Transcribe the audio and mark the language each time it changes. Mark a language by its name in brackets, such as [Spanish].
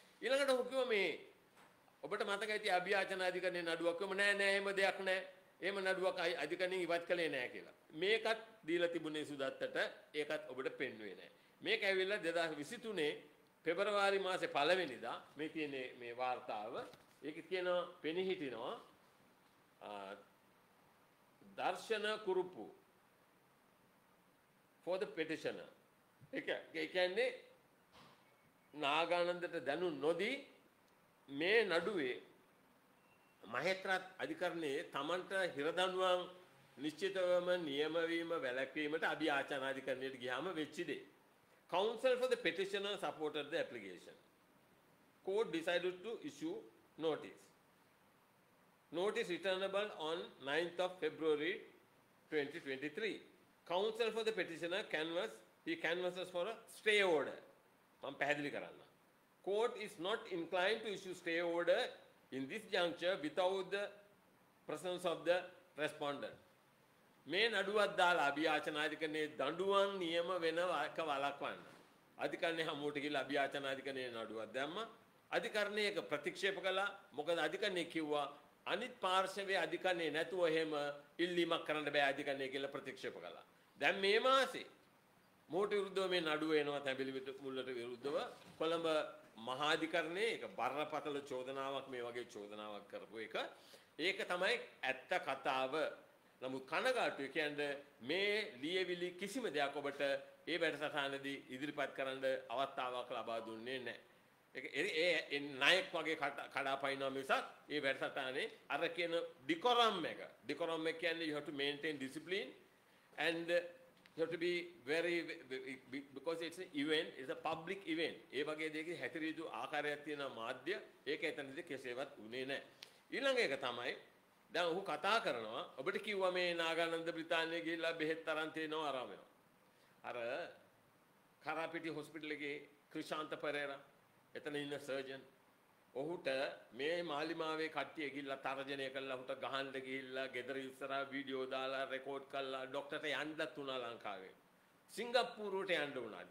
[Sinhala] ඊළඟට ඔහු කිව්ව මේ ඔබට මතක ඇති අභියාචන අධිකරණයේ නඩුවක්ම නෑ එහෙම දෙයක් නෑ. එහෙම නඩුවක් අධිකරණින් ඉවත් කළේ නැහැ කියලා. මේකත් දීලා තිබුණේ සුදත්තට ඒකත් ඔබට පෙන්වුවේ නැහැ. මේක ඇවිල්ලා 2023 පෙබරවාරි මාසේ 1 වෙනිදා මේ තියෙන මේ වාර්තාව. ඒකේ තියෙනවා පෙනී හිටිනවා [English] Darshana Kuruppu for the petitioner. [Sinhala] ඒක ඒ කියන්නේ නාගානන්දට දැනු නොදී මේ නඩුවේ මහේත්‍රාත් අධිකරණයේ තමන්ට හිරදඬුවම් නිශ්චිතවම නියම වීම වැළැක්වීමට අභියාචන අධිකරණයට ගියාම වෙච්ච දේ. [English] Council for the petitioner supported the application. Court decided to issue notice. Notice returnable on 9th of February 2023. Counsel for the petitioner canvasses for a stay order. [Sinhala] මම පැහැදිලි කරන්න. [English] Court is not inclined to issue stay order in this juncture without the presence of the respondent. [Sinhala] මේ නඩුවක් දාලා අභියාචන අධිකරණයේ දඬුවම් නියම වෙනවක වළක්වන්න. අධිකරණයේ හමුවට ගිහිල්ලා අභියාචන අධිකරණයේ නඩුවක් දැම්මා. අධිකරණයේ එක ප්‍රතික්ෂේප කළා. මොකද අධිකරණයේ කිව්වා අනිත් පාර්ශවයේ අධිකරණයේ නැතුව එහෙම ඉල්ලීමක් කරන්න බෑ අධිකරණයේ කියලා ප්‍රතික්ෂේප කළා. දැන් මේ මාසේ මූට විරුද්ධව මේ නඩුව එනවා තැඹිලි මුල්ලට විරුද්ධව කොළඹ මහා අධිකරණයේ එක බරපතල චෝදනාවක් මේ වගේ චෝදනාවක් කරපු එක. ඒක තමයි ඇත්ත කතාව. නමුත් කනගාටුයි කියන්නේ මේ ලියවිලි කිසිම දෙයක් ඔබට ඒ වැඩසටහනදී ඉදිරිපත් කරන්න අවස්ථාවක් ලබා දුන්නේ නැහැ. ඒ ණයක් වගේ කඩාපනිනවා මිසක් ඒ වැඩසටහනේ අර කියන ඩිකොරම් එක. ඩිකොරම් එක කියන්නේ [English] you have to maintain discipline and you have to be very because it's an event, it's a public event. [Sinhala] ඒ වගේ දෙයක හැතිරිය යුතු ආකාරයක් තියෙන මාධ්‍ය ඒක එතනදී කෙසේවත් උනේ නැහැ. ඊළඟ එක තමයි දැන් ඔහු කතා කරනවා ඔබට කිව්වා මේ නාගානන්ද බ්‍රිතාන්‍යයේ ගිහිල්ලා බෙහෙත් අරන් තිනව ආරම වෙනවා. අර කරාපිටි හොස්පිටල් එකේ ක්‍රිෂාන්ත පෙරේරා එතන ඉන්න සර්ජන් ඔහුට මේ මාලිමාවේ කට්ටිය ගිහිල්ලා තර්ජනය කළා ඔහුට ගහන්න ගිහිල්ලා ගෙදර ඉස්සරහා වීඩියෝ දාලා රෙකෝඩ් කළා ඩොක්ටර්ට යන්නත් උනා ලංකාවේ සිංගප්පූරුවට යන්න උනා.